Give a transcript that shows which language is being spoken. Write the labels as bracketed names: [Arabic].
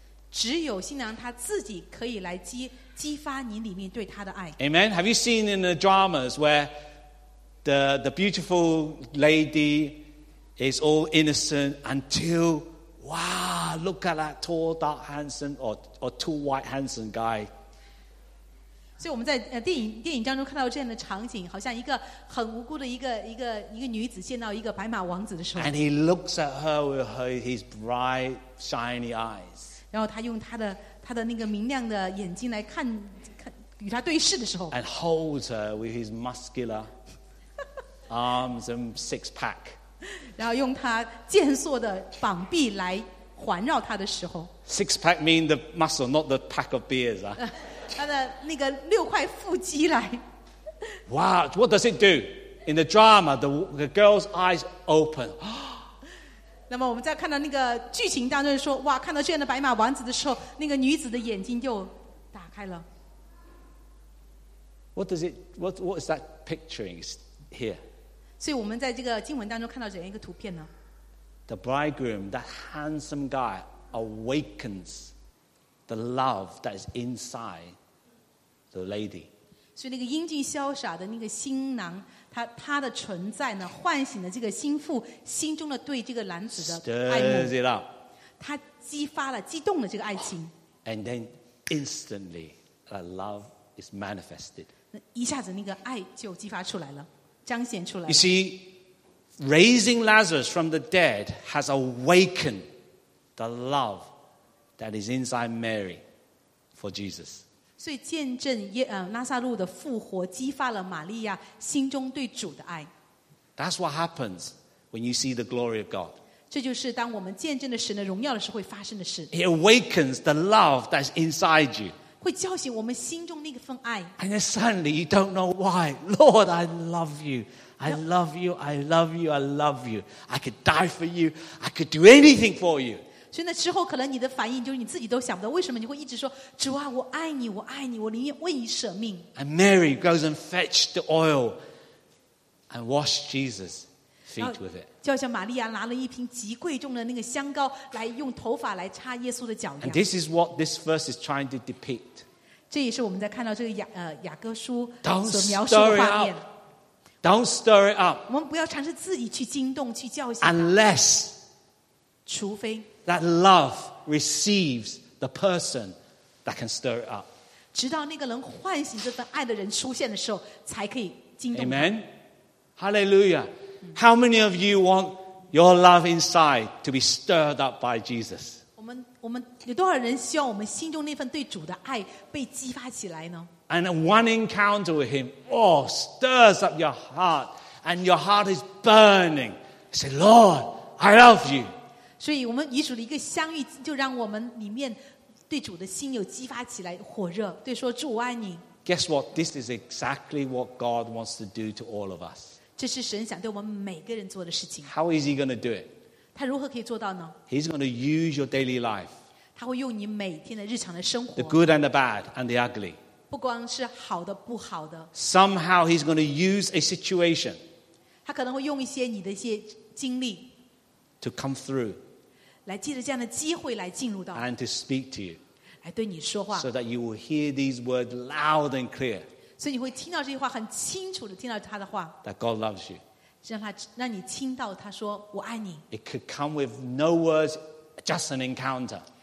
[Chinese] 只有新娘他自己可以来激发你里面对他的爱。 [English] Amen. Have you seen in the dramas where? The beautiful lady is all innocent until, wow, look at that tall, dark, handsome, or tall, white, handsome guy. [Chinese] 所以我们在电影当中看到这样的场景，好像一个很无辜的一个女子见到一个白马王子的时候。 [English] And he looks at her with his bright, shiny eyes. [Chinese] 然后他用他的那个明亮的眼睛来看与他对视的时候 [English] ，and holds her with his muscular arms and six pack， [Chinese] 然后用他健硕的膀臂来环绕他的时候 [English] ，six pack mean the muscle, not the pack of beers 啊， [Chinese] 他的那个六块腹肌来 [English] ，Wow, what does it do in the drama? The girl's eyes open. [Chinese] 那么我们在看到那个剧情当中说，哇，看到这样的白马王子的时候，那个女子的眼睛就打开了。 [English] What does it? What is that picturing here? [Chinese] 所以我们在这个经文当中看到怎样一个图片呢 [English] ？The bridegroom, that handsome guy, awakens the love that is inside the lady. [Chinese] 所以那个英俊潇洒的那个新郎，他的存在呢，唤醒了这个心腹心中的对这个男子的爱慕。他激发了、激动了这个爱情。 [English] And then instantly, a love. Is manifested. [Chinese] 一下子那个爱就激发出来了，彰显出来 [English] 了。You see, raising Lazarus from the dead has awakened the love that is inside Mary for Jesus. [Chinese] 所以见证拉撒路的复活，激发了玛利亚心中对主的爱。 [English] That's what happens when you see the glory of God. [Chinese] 这就是当我们见证了神的荣耀的时候会发生的事。 [English] It awakens the love that's inside you. [Chinese] 会叫醒我们心中那个份爱。 [English] And then suddenly you don't know why. Lord, I love you. I love you. I love you. I love you. I could die for you. I could do anything for you. [Chinese] 所以那之后可能你的反应就是你自己都想不到为什么你会一直说主啊我爱你我爱你我宁愿为你舍命。 [English] And Mary goes and fetched the oil and washed Jesus' feet with it. [Chinese] 就像玛利亚拿了一瓶极贵重的那个香膏来用头发来擦耶稣的脚。 [English] And this is what this verse is trying to depict. [Chinese] 这也是我们在看到这个 雅各书所描 [English] 述的画面。Don't stir it up. [Chinese] 我们不要尝试自己去惊动、去叫醒。 [English] Unless, [Chinese] 除非 [English] that love receives the person that can stir it up. [Chinese] 直到那个能唤醒这份爱的人出现的时候，才可以惊动。 [English] Amen. Hallelujah. How many of you want your love inside to be stirred up by Jesus? [Chinese] 我们有多少人希望我们心中那份对主的爱被激发起来呢 [English] ？And one encounter with him, oh, stirs up your heart, and your heart is burning. Say, Lord, I love you. [Chinese] 所以我们与主的一个相遇，就让我们里面对主的心有激发起来，火热，对说主我爱你。 [English] Guess what? This is exactly what God wants to do to all of us. [Chinese] 这是神想对我们每个人做的事情。 [English] How is he going to do it? [Chinese] 他如何可以做到呢 [English] ？He's going to use your daily life. [Chinese] 他会用你每天的日常的生活。 [English] The good and the bad and the ugly. [Chinese] 不光是好的，不好的。 [English] Somehow he's going to use a situation. [Chinese] 他可能会用一些你的一些经历。 [English] To come through. [Chinese] 来借着这样的机会来进入到。 [English] And to speak to you. [Chinese] 来对你说话。 [English] So that you will hear these words loud and clear. [Chinese] 所以你会听到这些话，很清楚的听到他的话。 [English] That God loves you. [Chinese] 让你听到他说我爱你 [English] It could come with no words just an encounter